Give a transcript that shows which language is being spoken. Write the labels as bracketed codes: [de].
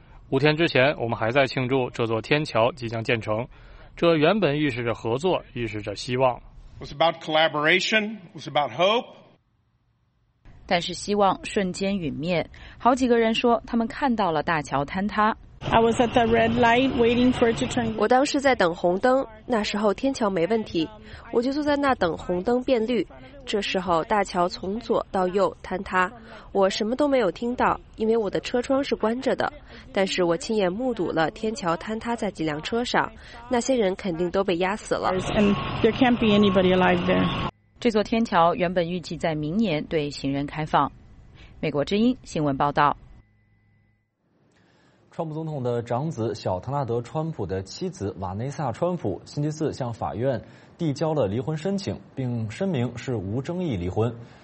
[zh] 五天之前，我们还在庆祝这座天桥即将建成，这原本预示着合作，预示着希望。但是希望瞬间陨灭，好几个人说他们看到了大桥坍塌。 [en] I was at the red light waiting for it to turn. [zh] 我当时在等红灯，那时候天桥没问题，我就坐在那等红灯变绿。这时候大桥从左到右坍塌，我什么都没有听到，因为我的车窗是关着的。但是我亲眼目睹了天桥坍塌在几辆车上，那些人肯定都被压死了。 [en] And there can't be anybody alive there. [zh] 这座天桥原本预计在明年对行人开放。美国之音新闻报道。川普总统的长子小唐纳德·川普的妻子瓦内萨·川普星期四向法院递交了离婚申请，并声明是无争议离婚。